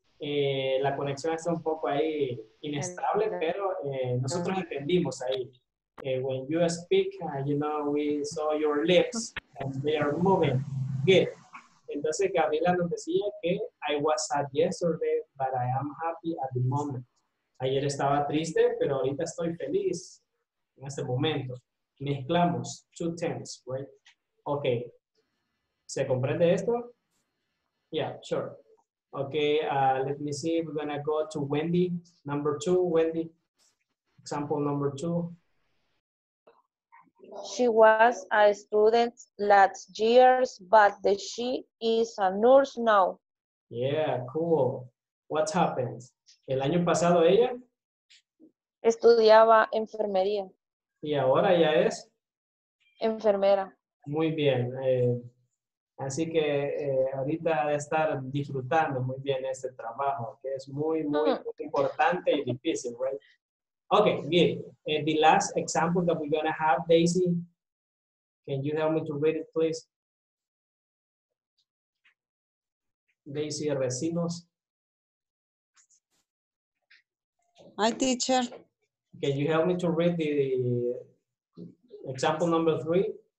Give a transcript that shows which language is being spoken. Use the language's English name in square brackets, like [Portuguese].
[Spanish] La conexión está un poco ahí inestable, pero nosotros entendimos ahí. [English] When you speak, you know, we saw your lips and they are moving. Good. [Spanish] Entonces, Gabriela nos decía que [English] I was sad yesterday, but I am happy at the moment. [Spanish] Ayer estaba triste, pero ahorita estoy feliz en este momento. [English] Mezclamos two tenses, right? Okay. [Spanish] ¿Se comprende esto? [English] Yeah, sure. Okay, let me see. We're gonna go to Wendy. Number two, Wendy. Example number two. She was a student last year, but she is a nurse now. Yeah, cool. What happened? [Spanish] El año pasado ella estudiaba enfermería. Y ahora ya es enfermera. Muy bien. Así que ahorita ha de estar disfrutando muy bien este trabajo, que es muy, muy, muy importante y difícil, right? [English] Okay, good. The last example that we're gonna have, Daisy. Can you help me to read it, please? Daisy Recinos. Hi, teacher. Can you help me to read the example number three?